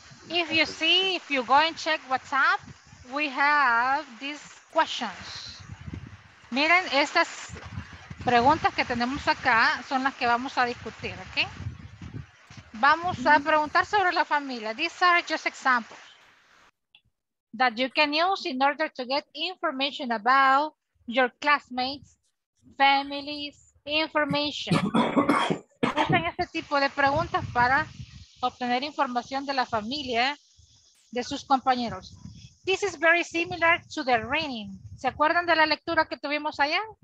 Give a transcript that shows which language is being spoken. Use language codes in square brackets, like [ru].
[en] If you see, if you go and check WhatsApp, we have these questions. [es] Miren, estas preguntas que tenemos acá son las que vamos a discutir, okay? Vamos a preguntar sobre la familia. [en] These are just examples that you can use in order to get information about your classmates, families, information. [es] Usen este tipo de preguntas para obtener información de la familia, de sus compañeros. [en] This is very similar to the reading. [es] ¿Se acuerdan de la lectura que tuvimos allá?